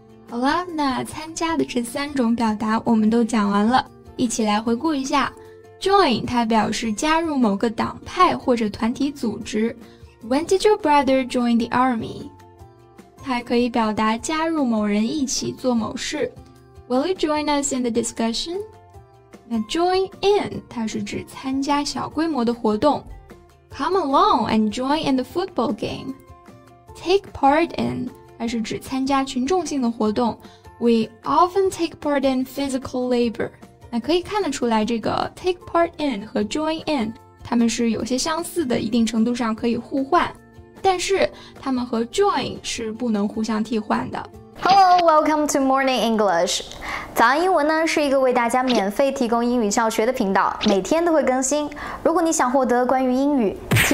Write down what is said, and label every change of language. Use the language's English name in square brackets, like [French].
[Chinese] 好了那参加的这三种表达我们都讲完了一起来回顾一下 join 它表示加入某个党派或者团体组织 [English] When did your brother join the army? [Chinese] 它还可以表达加入某人一起做某事。 [English] Will you join us in the discussion? [Chinese] 那 join in, 它是指参加小规模的活动。 [English] Come along and join in the football game. [Chinese] Take part in, 它是指参加群众性的活动。 [English] We often take part in physical labor. [Chinese] 那可以看得出来这个 take part in 和 join in,他们是有些相似的一定程度上可以互换但是他们和 join 是不能互相替换的 [English] Hello, welcome to Morning English [Chinese] 早安英文呢是一个为大家免费提供英语教学的频道每天都会更新如果你想获得关于英语提